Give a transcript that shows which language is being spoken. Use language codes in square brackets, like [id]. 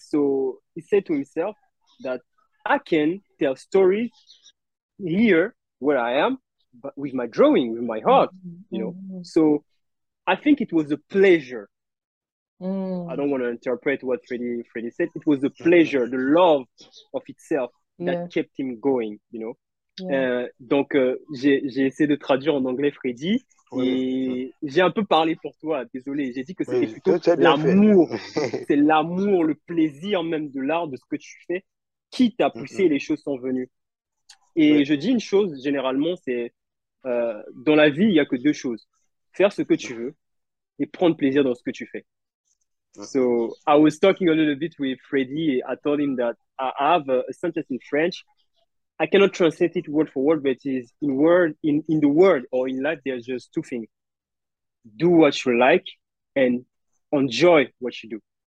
[en] So he said to himself that I can tell stories here where I am, but with my drawing, with my heart, you know. So I think it was a pleasure. I don't want to interpret what Freddy said. It was a pleasure, the love of itself that kept him going, you know. [fr] J'ai essayé de traduire en anglais Freddy, et j'ai un peu parlé pour toi, désolé. J'ai dit que c'était Oui, plutôt tu as bien l'amour. fait. C'est l'amour, le plaisir même de l'art, de ce que tu fais, qui t'a poussé et les choses sont venues. Et je dis une chose, généralement, c'est dans la vie, il n'y a que deux choses. Faire ce que tu veux et prendre plaisir dans ce que tu fais. [en] So I was talking a little bit with Freddy, and I told him that I have a sentence in French. I cannot translate it word for word, but it is in the world or in life, there's just two things. Do what you like and enjoy what you do.